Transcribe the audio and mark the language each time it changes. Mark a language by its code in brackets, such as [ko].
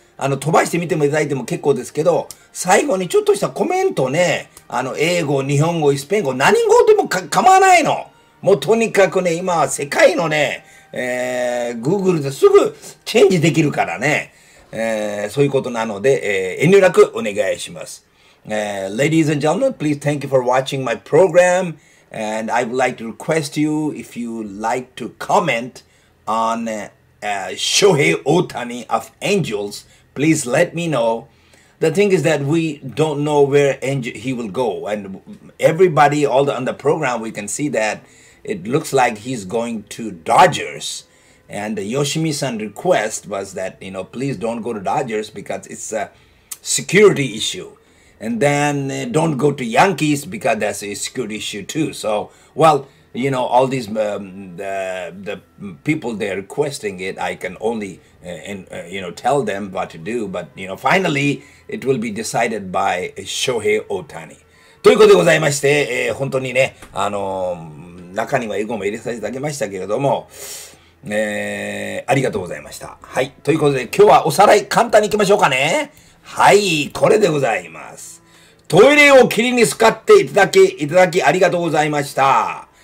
[ja] あの飛ばしてみてもいただいても結構ですけど、最後にちょっとしたコメントね、あの英語、日本語、スペイン語、何語でも構わないの。もうとにかくね今は世界のね、Google ですぐチェンジできるからね、そういうことなので、遠慮なくお願いします。 [en] Ladies and gentlemen, please thank you for watching my program, and I would like to request you if you like to comment on Shohei Ohtani of Angels, please let me know. The thing is that we don't know where he will go, and everybody all on the program we can see that it looks like he's going to Dodgers. And Yoshimi-san's request was that, you know, please don't go to Dodgers because it's a security issue. And then don't go to Yankees because that's a security issue too. So, well, you know, all these the people they're requesting it, I can only, you know, tell them what to do. But, you know, finally, it will be decided by Shohei Ohtani. [ja] ということでございまして、本当にね、中には英語も入れさせていただきましたけれども、ありがとうございました。はい。ということで、今日はおさらい簡単にいきましょうかね。はい、これでございます。トイレをきりに使っていただきありがとうございました。